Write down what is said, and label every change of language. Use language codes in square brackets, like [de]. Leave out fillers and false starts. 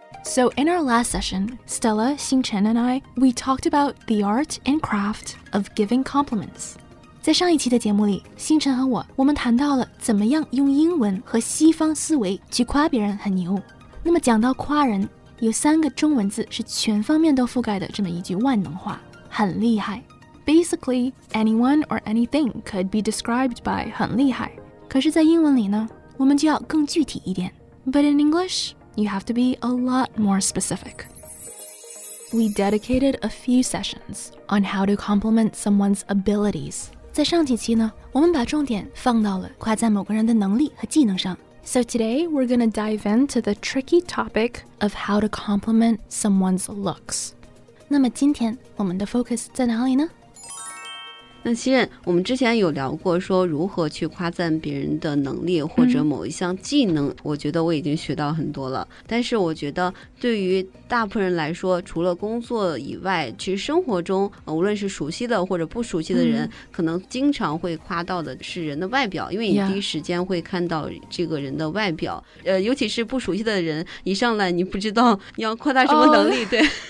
[en] So in our last session, Stella, Xinchen and I, we talked about the art and craft of giving compliments. [zh] 在上一期的节目里，星辰和我，我们谈到了怎么样用英文和西方思维去夸别人很牛。那么讲到夸人，有三个中文字是全方面都覆盖的这么一句万能话，很厉害。 [en] Basically, anyone or anything could be described by 很厉害。 [zh] 可是在英文里呢，我们就要更具体一点。 [en] But in English, you have to be a lot more specific. We dedicated a few sessions on how to compliment someone's abilities. [zh] 在上几期呢，我们把重点放到了夸赞某个人的能力和技能上。 [en] So today, we're going to dive into the tricky topic of how to compliment someone's looks. [zh] 那么今天我们的 focus 在哪里呢？那希任，我们之前有聊过说如何去夸赞别人的能力或者某一项技能、我觉得我已经学到很多了。但是我觉得对于大部分人来说，除了工作以外，其实生活中、无论是熟悉的或者不熟悉的人、可能经常会夸到的是人的外表，因为你第一时间会看到这个人的外表、尤其是不熟悉的人，一上来你不知道你要夸他什么能力、对。